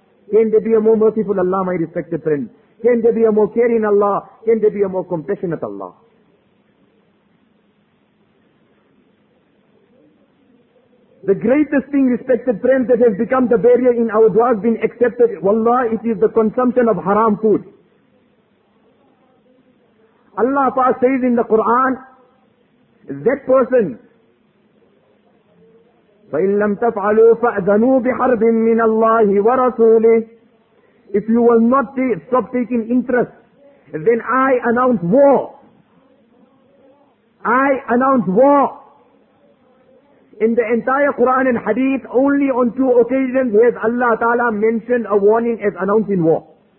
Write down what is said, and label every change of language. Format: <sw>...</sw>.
<en>Can there be a more merciful Allah, my respected friend? Can there be a more caring Allah? Can there be a more compassionate Allah? The greatest thing, respected friends, that has become the barrier in our du'as being accepted, wallah, it is the consumption of haram food. Allah says in the Quran, that person,</en> <ar>فَإِن لَمْ تَفْعَلُوا فَأْذَنُوا بِحَرْبٍ مِّنَ اللَّهِ وَرَسُولِهِ.</ar> <en>If you will not stop taking interest, then I announce war. I announce war. In the entire Quran and Hadith, only on two occasions has Allah Ta'ala mentioned a warning as announcing war.</en>